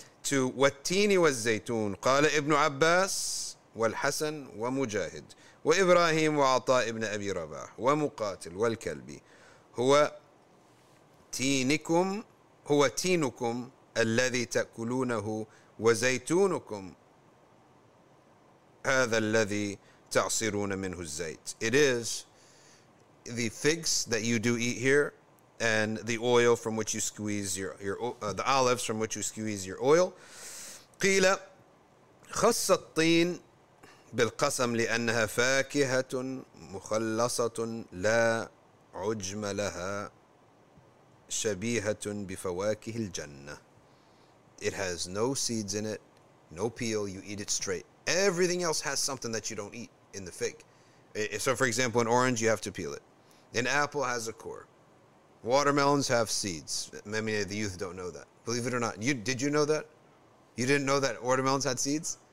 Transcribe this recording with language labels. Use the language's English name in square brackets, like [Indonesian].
[English] to [Arabic] وَالتِّينِ وَالزَّيْتُونِ قَالَ إِبْنُ عَبَّاسِ وَالْحَسَنِ وَمُجَاهِدِ وَإِبْرَاهِيمُ وَعَطَى إِبْنَ أَبِي رَبَاحِ وَمُقَاتِلِ وَالْكَلْبِ هُوَ تِينُكُمْ الَّذِي تَأْكُلُونَهُ وَزَيْتُونُكُمْ هَذَا الَّذِي تَعْصِرُونَ مِنْهُ الزَّيْتِ. [English] It is the figs that you do eat here, and the oil from which you squeeze the olives from which you squeeze your oil. [Arabic] قيل خص الطين بالقسم لأنها فاكهة مخلصة لا عجم لها شبيهة بفواكه الجنة. [English] It has no seeds in it, no peel, you eat it straight. Everything else has something that you don't eat in the fig. So for example, an orange, you have to peel it. An apple has a core. Watermelons have seeds. Many of the youth don't know that. Believe it or not. Did you know that? You didn't know that watermelons had seeds?